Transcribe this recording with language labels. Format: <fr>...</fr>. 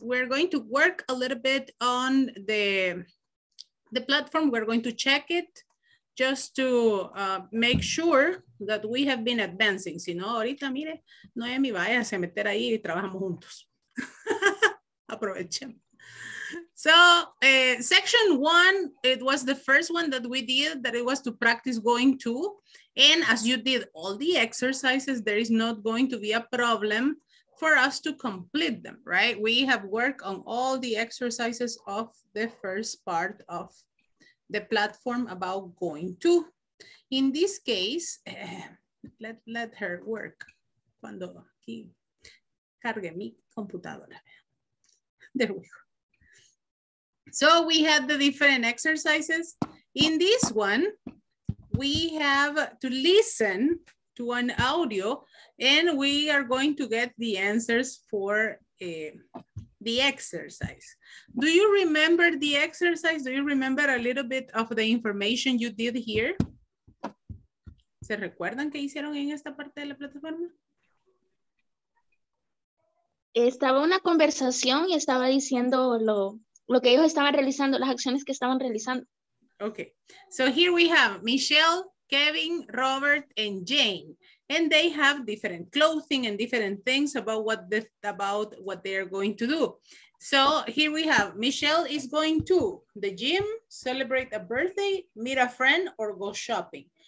<en>We're going to work a little bit on the platform. We're going to check it just to make sure that we have been advancing.</en> <es>Si no, ahorita mire, Noemi vaya a meter ahí y trabajamos juntos. Aprovechen.</es> <en>So, section one, it was the first one that we did, that it was to practice going to. And as you did all the exercises, there is not going to be a problem for us to complete them, right? We have worked on all the exercises of the first part of the platform about going to. In this case, let her work.</en> <es>Cuando aquí cargue mi computadora.</es> <en>There we go. So we had the different exercises. In this one, we have to listen to an audio and we are going to get the answers for the exercise. Do you remember the exercise? Do you remember a little bit of the information you did here?</en> <es>¿Se recuerdan qué hicieron en esta parte de la plataforma? Estaba una conversación y estaba diciendo lo que ellos estaban realizando, las acciones que estaban realizando.</es> <en>Okay, so here we have Michelle, Kevin, Robert, and Jane. And they have different clothing and different things about what they are going to do. So here we have, Michelle is going to the gym, celebrate a birthday, meet a friend, or go shopping.</en>